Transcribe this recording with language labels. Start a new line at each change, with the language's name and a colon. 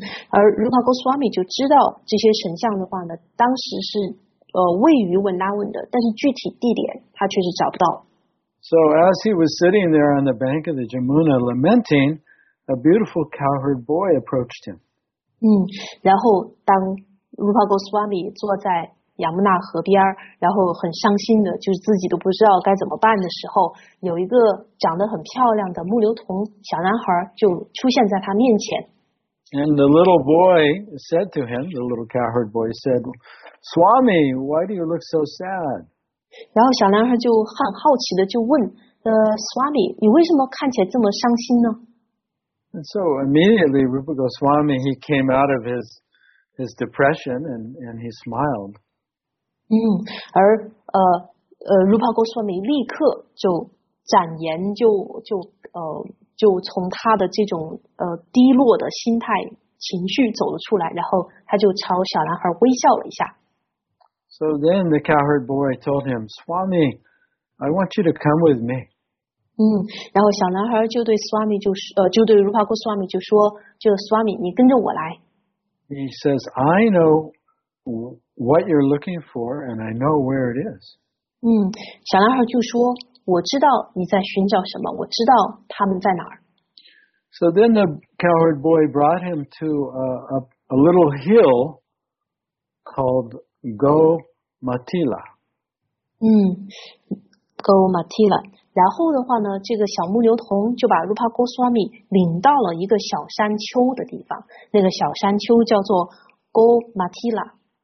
Chinese: 而 Rupa Goswami 就知道这些神像的话呢，当时是位于 Vrindavan 的，但是具体地点他确实找不到。
English: So as he was sitting there on the bank of the Yamuna lamenting, a beautiful cowherd boy approached him.
Chinese: 然后当 Rupa Goswami 坐在亚木纳河边，然后很伤心的，就是自己都不知道该怎么办的时候，有一个长得很漂亮的牧牛童小男孩就出现在他面前。
English: And the little boy said to him, the little cowherd boy said, Swami, why do you look so sad?
Chinese: 然后小男孩就很好奇的就问Swami, 你为什么看起来这么伤心呢？
English: And so immediately Rupa Goswami, he came out of his depression and he smiled.
Chinese: 而Rupa Goswami 立刻就展颜，就从他的这种低落的心态情绪走了出来，然后他就朝小男孩微笑了一下。
English: So then the cowherd boy told him, Swami, I want you to come with me.
Chinese: 然后小男孩就对 Swami 就对 Rupa Goswami 就说，就 Swami, 你跟着我来。
English: He says, I know what you're looking for, and I know where it is.
Chinese: 小男孩就说，我知道你在寻找什么，我知道他们在哪儿。
English: So then the cowherd boy brought him to a little hill called Gomatila.
Chinese: Gomatila. 然后的话呢，这个小牧牛童就把 Rupa Goswami 领到了一个小山丘的地方，那个小山丘叫做 Gomatila.